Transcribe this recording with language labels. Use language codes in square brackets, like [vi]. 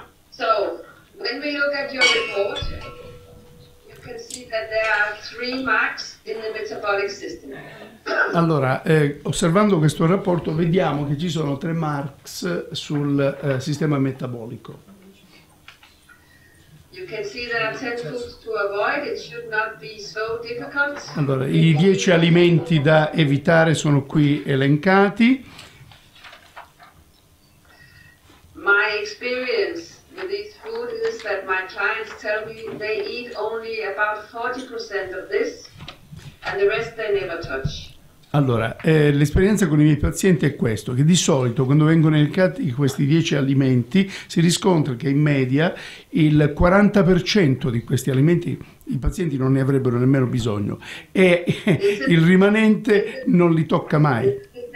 [en] So, when we look at your report, you can see that there are three marks in the metabolic system. [it] Allora, osservando questo rapporto, vediamo che ci sono tre marks sul sistema metabolico. [en] You can see that are 10 foods to avoid, it should not be so difficult. [it] Allora, i 10 alimenti da evitare sono qui elencati. [en] My experience with these food is that my clients tell me they eat only about 40% of this and the rest they never touch. [it] Allora, l'esperienza con i miei pazienti è questo, che di solito quando vengono elencati questi 10 alimenti si riscontra che in media il 40% di questi alimenti i pazienti non ne avrebbero nemmeno bisogno e il rimanente non li tocca mai.